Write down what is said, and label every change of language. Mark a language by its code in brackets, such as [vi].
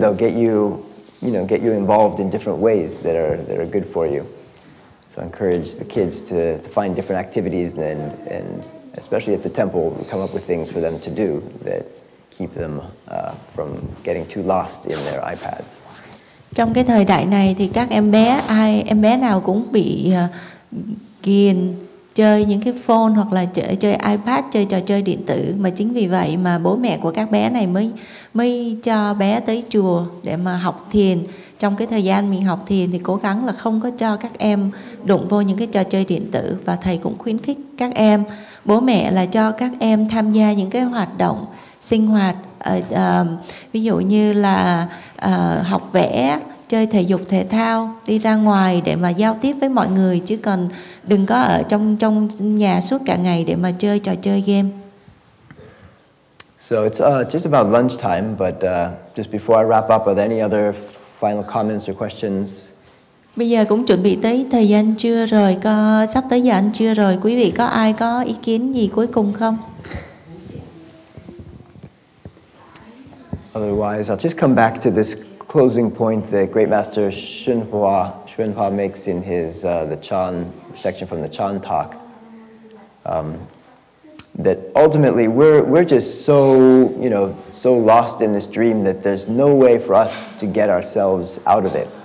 [en] They'll get you involved in different ways that are good for you. So I encourage the kids to find different activities and especially at the temple, come up with things for them to do that keep them from getting too lost in their iPads. [vi] Trong cái thời đại này thì các em bé ai em bé nào cũng bị ghiền chơi những cái phone hoặc là chơi iPad, chơi trò chơi điện tử, mà chính vì vậy mà bố mẹ của các bé này mới cho bé tới chùa để mà học thiền. Trong cái thời gian mình học thiền thì cố gắng là không có cho các em đụng vô những cái trò chơi điện tử, và thầy cũng khuyến khích các em, bố mẹ là cho các em tham gia những cái hoạt động sinh hoạt, ví dụ như là học vẽ, chơi thể dục thể thao, đi ra ngoài để mà giao tiếp với mọi người, chứ còn đừng có ở trong nhà suốt cả ngày để mà chơi trò chơi game. [en] So it's just about lunchtime, but just before I wrap up, are there any other final comments or questions? [vi] Bây giờ cũng chuẩn bị tới thời gian trưa rồi, sắp tới giờ ăn trưa rồi, quý vị có ai có ý kiến gì cuối cùng không? [en] Otherwise, I'll just come back to this closing point that great master Hsuan Hua makes in his the Chan section from the Chan talk, that ultimately we're just so, you know, so lost in this dream that there's no way for us to get ourselves out of it.